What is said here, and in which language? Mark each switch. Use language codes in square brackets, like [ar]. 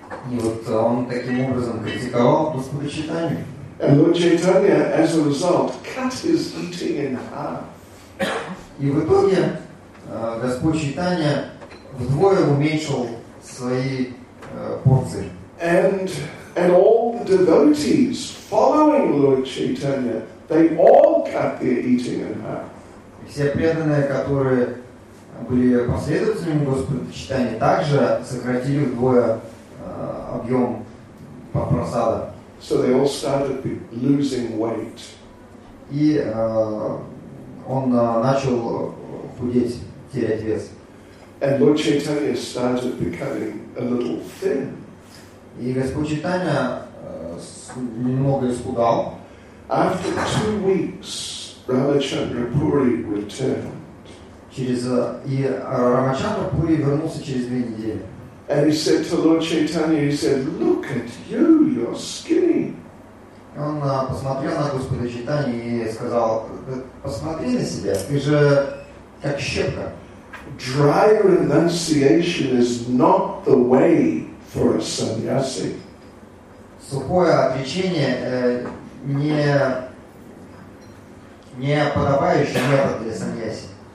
[ru] И вот он таким образом критиковал Господа Чайтанью. [en] And Lord Chaitanya, as a result, cut his eating in half. [ru] И в итоге Господь Чайтанья вдвое уменьшил свои порции. [en] And all the devotees following Lord Chaitanya, they all cut their eating in half. [ru] И все преданные, которые были последователями Господа Чайтанья, также сократили вдвое объем просада. [en] So they all started losing weight. [ru] И он начал худеть, терять вес. [en] And Lord Chaitanya started becoming a little thin. [ru] И Господь Чайтанья немного исхудал. [en] After 2 weeks, Рамачандра Пури returned. [ru] Рамачандра Пури вернулся через 2 недели. [en] And he said to Lord Chaitanya, he said, look at you, you're skinny. [ru] Он посмотрел на Господа Чайтанью и сказал, посмотри на себя, ты же как щепка. [en] Dry renunciation is not the way for a sannyasi. [ru] Сухое отречение не подобающий метод для сан-яси.